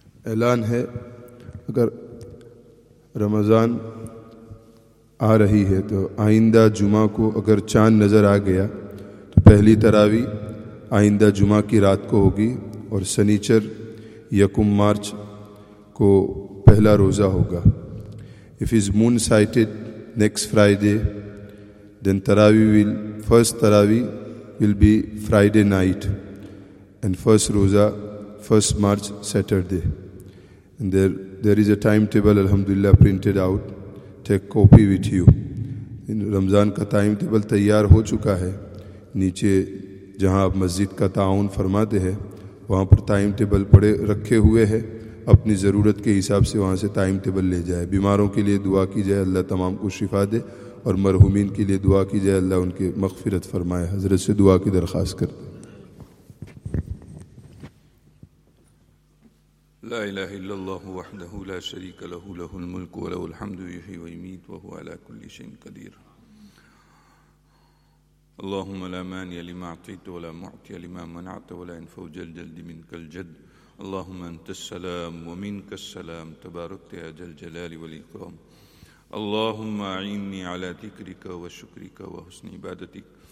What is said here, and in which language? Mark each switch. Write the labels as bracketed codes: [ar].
[ur] اعلان ہے اگر رمضان آ رہی ہے تو آئندہ جمعہ کو اگر چاند نظر آ گیا تو پہلی تراویح آئندہ جمعہ کی رات کو ہوگی اور سنیچر یکم مارچ کو پہلا روزہ ہوگا. [en] If is moon sighted next Friday, then first Taravi will be Friday night and first Roza, 1st March, Saturday. And there is a timetable, alhamdulillah, printed out. Take copy with you. [ur] Ramzan ka timetable tayyar ho chuka hai. Niche, jahan ab masjid ka ta'aun farmate hai, wahan par timetable pade rakhe huye hai. اپنی ضرورت کے حساب سے وہاں سے time table لے جائے. بیماروں کے لیے دعا کی جائے اللہ تمام کو شفا دے, اور مرحومین کے لیے دعا کی جائے اللہ ان کے مغفرت فرمائے. حضرت سے دعا کی درخواست کرتے. [ar] لا الہ الا اللہ وحدہ لا شریک له, له الملک ولہ الحمد یحیی ویمیت وهو على کل شیء قدیر. اللهم لا مانع لما اعطیت ولا معطی لما منعت ولا ينفع ذا الجلد منک الجد. اللهم انت السلام ومنك السلام, تباركت يا جل جلال والإكرام. اللهم اعني على ذكرك وشكرك وحسن عبادتك.